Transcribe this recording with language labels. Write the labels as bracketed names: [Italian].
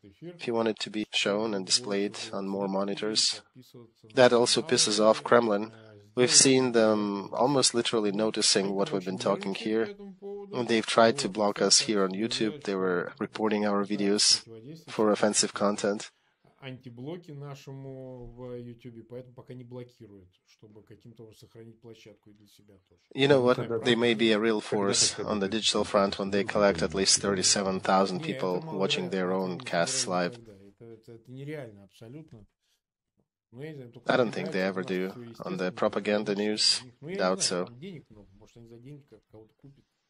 [English] If you want it to be shown and displayed on more monitors, that also pisses off Kremlin. We've seen them almost literally noticing what we've been talking here. They've tried to block us here on YouTube. They were reporting our videos for offensive content. [Russian] Антиблоки нашему в YouTube, поэтому пока не блокируют, чтобы каким-то образом сохранить площадку для себя тоже. [English] You know what? They may be a real force on the digital front when they collect at least 37,000 people watching their own casts live. [Russian] Это нереально абсолютно. [English] I don't think they ever do on the propaganda news. Doubt so. [Russian] Может, они за деньги кого-то купят.